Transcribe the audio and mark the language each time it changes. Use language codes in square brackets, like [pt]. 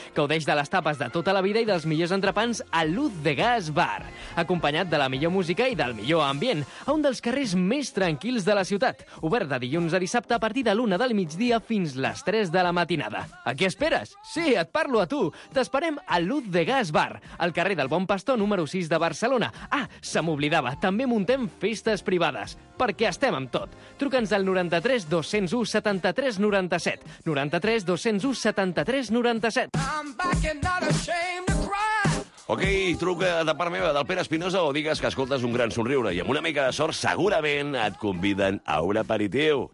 [ca] Gaudeix de les tapes de tota la vida i dels millors entrepans a l'Ut de Gasbar, acompanyat de la millor música i del millor ambient, a un dels carrers més tranquils de la ciutat, obert de dilluns a dissabte a partir de l'una del migdia fins les 3 de la matinada. A què esperes? Sí, et parlo a tu. T'esperem a l'Ut de Gas Bar, al carrer del Bon Pastor número 6 de Barcelona. Ah, se m'oblidava, també muntem festes privades, perquè estem amb tot. Truca'ns al 93 201 73 97. [en] 93 201 73 97. I'm back and not ashamed to cry. [ca] Ok, truca de part meva del Pere Espinosa o digues que escoltes un gran somriure i amb una mica de sort segurament et conviden a un aperitiu.